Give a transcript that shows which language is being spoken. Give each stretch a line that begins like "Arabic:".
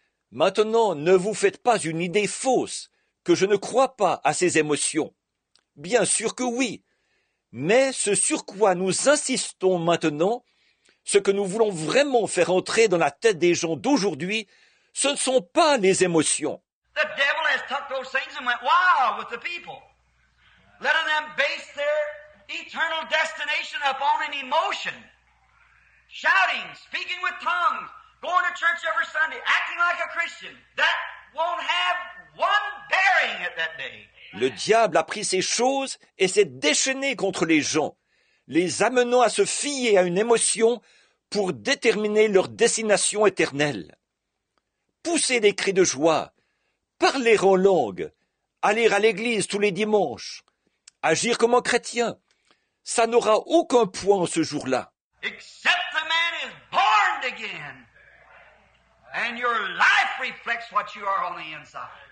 French: Maintenant, ne vous faites pas une idée fausse que je ne crois pas à ces émotions. Bien sûr que oui, mais ce sur quoi nous insistons maintenant, ce que nous voulons vraiment faire entrer dans la tête des gens d'aujourd'hui, ce ne sont pas les émotions.
English: The devil has tucked those things and went wild with the people, letting them base their eternal destination upon an emotion. Shouting, speaking with tongues, going to church every Sunday, acting like a Christian, that won't have one bearing at that day.
French: Le diable a pris ces choses et s'est déchaîné contre les gens, les amenant à se fier à une émotion pour déterminer leur destination éternelle. Pousser des cris de joie, parler en langue, aller à l'église tous les dimanches, agir comme un chrétien, ça n'aura aucun point ce jour-là.
English: Except the man is born again, and your life reflects what you are on the inside.